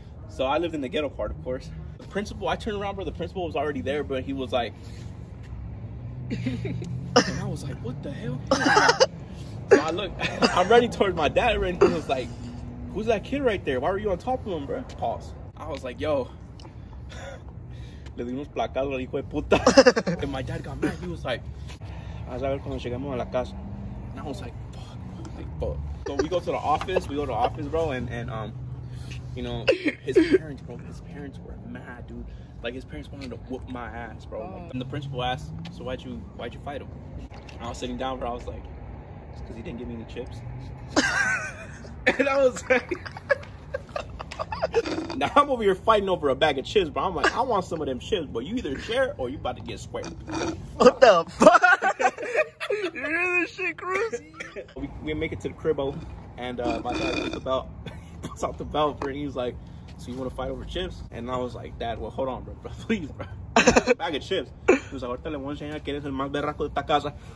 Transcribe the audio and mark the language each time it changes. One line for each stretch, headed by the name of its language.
English: So I lived in the ghetto part, of course. The principal, I turned around, bro, the principal was already there, but he was like, and I was like, what the hell? So I'm running towards my dad, and he was like, who's that kid right there? Why were you on top of him, bro? Pause. I was like, yo.
Spanish: Le di unos placados al hijo de puta.
English: And my dad got mad. He was like,
Spanish: vas a ver cuando lleguemos a la casa.
English: And I was like, fuck. So we go to the office. We go to the office, bro. And you know, his parents were mad, dude. Like, his parents wanted to whoop my ass, bro. And the principal asked, so why'd you fight him? And I was sitting down, bro. I was like, it's because he didn't give me any chips. And I was like, now I'm over here fighting over a bag of chips, bro. I'm like, I want some of them chips, but you either share or you about to get squared. What the fuck? You hear this shit, Chris? We make it to the cribbo, and my dad gets the belt. Puts out the belt, bro, and he's like, so you want to fight over chips? And I was like, Dad, well, hold on, bro. Please, bro. Bag of chips. He was like,
Spanish: ahorita le voy a enseñar que eres el más berraco de esta casa.